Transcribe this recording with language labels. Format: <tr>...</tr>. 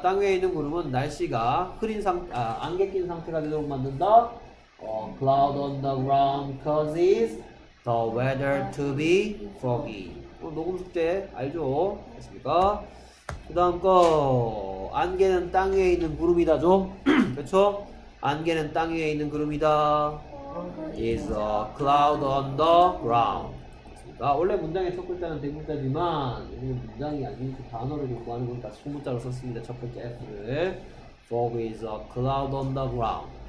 <ko>땅 위에 있는 구름은 날씨가 흐린 상태, 아, 안개 낀 상태가 되도록 만든다.</ko> <en>A cloud on the ground causes the weather to be foggy.</en> <ko>어, 녹음 숙제 알죠? 됐습니까? 그 다음 거, 안개는 땅 위에 있는 구름이다죠? 그렇죠? 안개는 땅 위에 있는 구름이다.</ko> <en>Is a cloud on the ground. 됐습니까?</en> <ko>원래 문장의 첫 글자는 대문자지만 오늘 문장이 아니고 단어를 공부하는 거니까 소문자로 썼습니다.</ko> <en>첫 번째 F를 Fog is a cloud on the ground.</en>